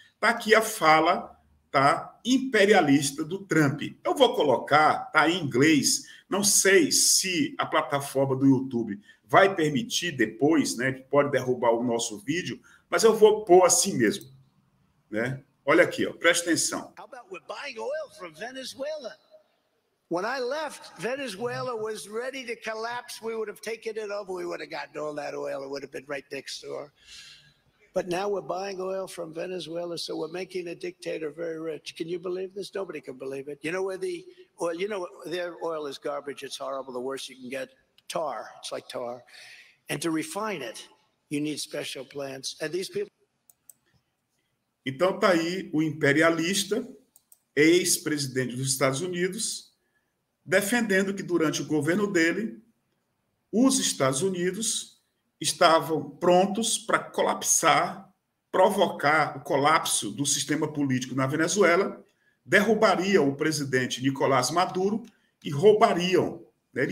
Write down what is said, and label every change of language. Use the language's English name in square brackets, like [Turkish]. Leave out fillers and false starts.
[Portuguese] Está aqui a fala, tá, imperialista do Trump. Eu vou colocar, tá, em inglês. Não sei se a plataforma do YouTube vai permitir depois, né, que pode derrubar o nosso vídeo, mas eu vou pôr assim mesmo, né? Olha aqui, ó, presta atenção. [English] How about we're buying oil from Venezuela? When I left, Venezuela was ready to collapse. We would have taken it over. We would have gotten all that oil. It would have been right next door. But now we're buying oil from Venezuela, so we're making a dictator very rich. Can you believe this? Nobody can believe it. You know where the oil, you know, their oil is garbage. It's horrible. The worst you can get, tar. It's like tar. And to refine it, you need special plants. And these people. [Portuguese] Então tá aí o imperialista, ex-presidente dos Estados Unidos, defendendo que durante o governo dele, os Estados Unidos estavam prontos para colapsar, provocar o colapso do sistema político na Venezuela, derrubariam o presidente Nicolás Maduro e roubariam, né?